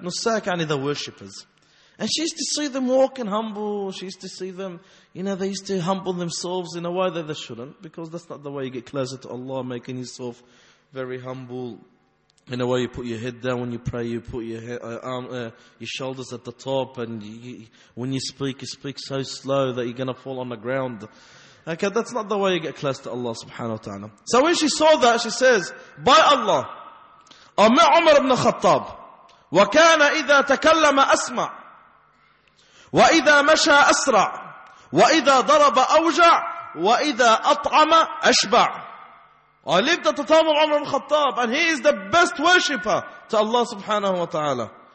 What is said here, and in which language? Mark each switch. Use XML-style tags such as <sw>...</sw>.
<en>Nusak, yani the worshippers. And she used to see them walking humble, she used to see them, you know, they used to humble themselves in a way that they shouldn't, because that's not the way you get closer to Allah, making yourself very humble. In a way, you put your head down when you pray, you put your shoulders at the top, and when you speak so slow that you're going to fall on the ground. Okay, that's not the way you get close to Allah subhanahu wa ta'ala. So when she saw that, she says, by Allah,</en> <ar>أَمَّا عُمَرَ بْنَ خَطَّابِ وَكَانَ إِذَا تَكَلَّمَ أَسْمَعَ وَإِذَا مَشَى أَسْرَعَ وَإِذَا ضَرَبَ أَوْجَعَ وَإِذَا أَطْعَمَ أَشْبَعَ.</ar> <en>I lived at the time of Umar ibn Khattab, and he is the best worshipper to Allah subhanahu wa ta'ala.</en>